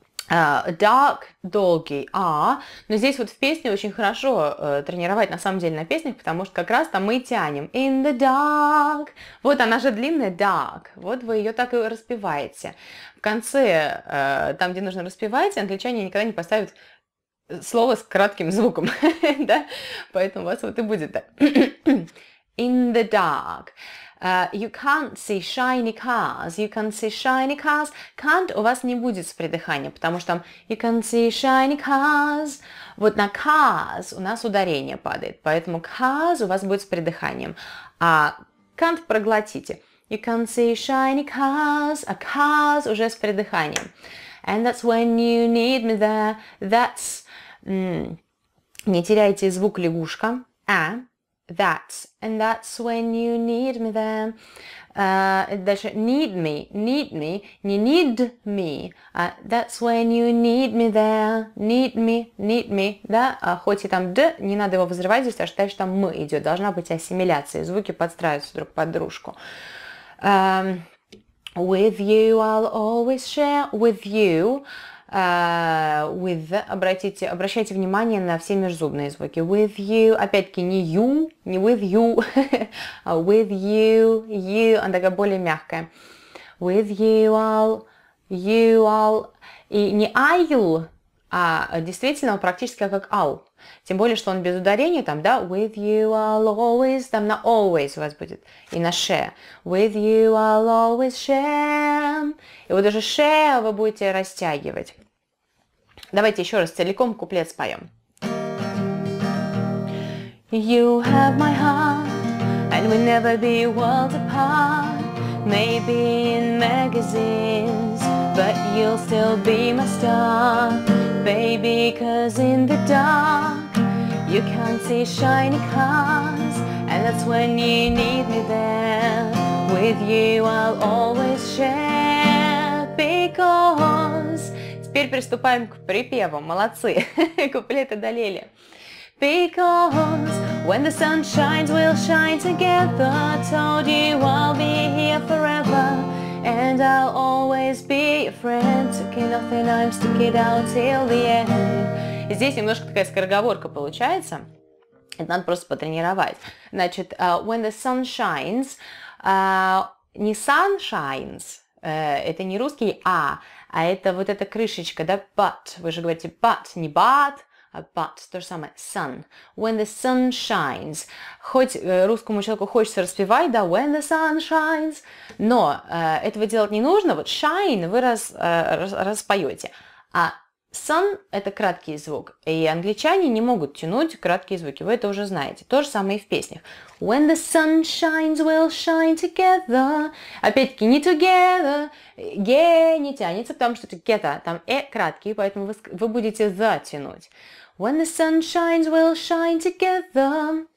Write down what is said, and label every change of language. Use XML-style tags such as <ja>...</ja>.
<ru>dark, долгий, а, но здесь вот в песне очень хорошо тренировать на самом деле на песнях, потому что как раз там мы и тянем,</ru> <en>in the dark,</en> <ru>вот она же длинная, dark, вот вы ее так и распеваете, в конце, там, где нужно распевать, англичане никогда не поставят слово с кратким звуком, да, поэтому у вас вот и будет так, in the dark.</ru> <en>You can't see shiny cars, you can see shiny cars.</en> <ru>Can't у вас не будет с придыханием, потому что там</ru> <en>you can see shiny cars.</en> <ru>Вот на cars у нас ударение падает, поэтому cars у вас будет с придыханием. А can't проглотите.</ru> <en>You can see shiny cars,</en> <ru>а cars уже с придыханием.</ru> <en>And that's when you need me there.</en> <ru>That's... Не теряйте звук лягушка. А.</ru> <en>That, and that's when you need me then. Дальше need me, need me, не need me. That's when you need me there. Need me, need me.</en> <ru>Да, хоть и там d, не надо его взрывать, здесь считай, что там m идет. Должна быть ассимиляция, звуки подстраиваются друг под дружку.</ru> <en>With you I'll always share. With you.</en> <ru>With, обращайте внимание на все межзубные звуки.</ru> <en>With you, опять-таки не you, не with you.</en> <ru>With you, you, она такая более мягкая.</ru> <en>With you I'll,</en> <ru>и не I'll, а действительно практически как I'll. Тем более, что он без ударения там, да,</ru> <en>with you I'll always,</en> <ru>там на always у вас будет, и на share.</ru> <en>With you I'll always share.</en> <ru>И вот даже share вы будете растягивать. Давайте еще раз целиком куплет споем.</ru> <en>You have my heart, and we'll never be worlds apart. Maybe in magazines, but you'll still be my star. Baby, cause in the dark, you can't see shiny cars. And that's when you need me there. With you I'll always share, because...</en> <ru>Теперь приступаем к припеву. Молодцы, куплеты долели.</ru> <en>Because when the sun shines, we'll shine together. Told you I'll be here forever. And I'll always be your friend. Took it off and I'm stuck it out till the end.</en> <ru>Здесь немножко такая скороговорка получается. Это надо просто потренировать. Значит,</ru> <en>when the sun shines,</en> <ru>не sun shines, это не русский «а», а это вот эта крышечка, да, but. Вы же говорите but, не but, а but, то же самое, sun.</ru> <en>When the sun shines.</en> <ru>Хоть русскому человеку хочется распевать, да,</ru> <en>when the sun shines,</en> <ru>но этого делать не нужно, вот shine вы распоете. А sun – это краткий звук, и англичане не могут тянуть краткие звуки, вы это уже знаете. То же самое и в песнях.</ru> <en>When the sun shines, we'll shine together.</en> <ru>Опять-таки, не together, ге не тянется, потому что together, там э краткий, поэтому вы будете the тянуть.</ru> <en>When the sun shines, we'll shine together.</en>